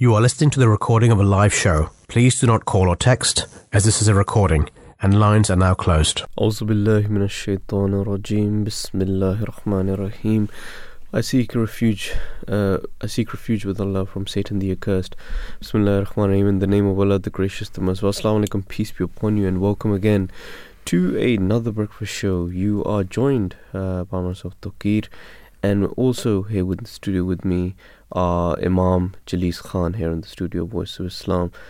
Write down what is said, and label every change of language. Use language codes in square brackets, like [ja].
[en] You are listening to the recording of a live show. Please do not call or text, as this is a recording, and lines are now closed. [ar] أعوذ بالله من الشيطان الرجيم بسم الله الرحمن الرحيم. [en] I seek refuge with Allah from Satan the accursed. Bismillah ar-Rahman ar-Rahim, in the name of Allah, the gracious, the merciful. As-salamu alaykum, peace be upon you, and welcome again to another breakfast show. You are joined by myself, Tokir, and also here with the studio with me, Imam Jaliz Khan, here in the studio, Voice of Islam.